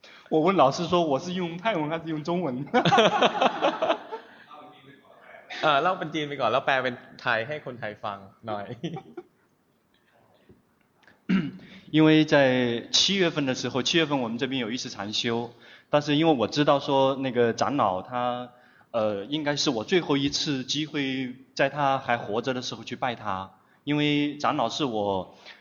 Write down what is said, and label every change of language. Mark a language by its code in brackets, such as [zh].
[zh] 我问老师说我是用泰文还是用中文 [th] เล่าเป็นจีนไปก่อนแล้วแปลเป็นไทยให้คนไทยฟังหน่อย [zh] 因为在七月份的时候，七月份我们这边有一次禅修，但是因为我知道说那个长老他应该是我最后一次机会在他还活着的时候去拜他，因为长老是我